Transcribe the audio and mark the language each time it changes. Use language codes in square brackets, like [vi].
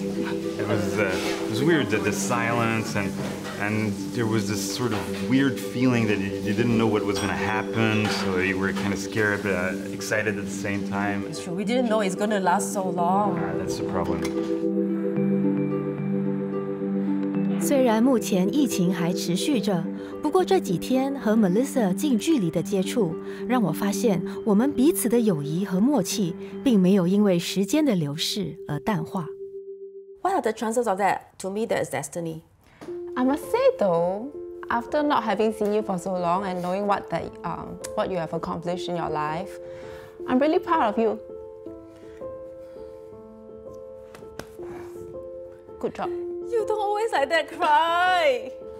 [en] It was weird, the silence, and there was this sort of weird feeling that you didn't know what was going to happen, so you were kind of scared but excited at the same time. It's true. We didn't know it's going to last so long. That's the problem. [zh] 虽然目前疫情还持续着, 不过这几天和 Melissa 近距离的接触，让我发现我们彼此的友谊和默契，并没有因为时间的流逝而淡化。 [en] What are the chances of that? To me, that is destiny. I must say, though, after not having seen you for so long and knowing what you have accomplished in your life, I'm really proud of you. Good job. You don't always like that cry.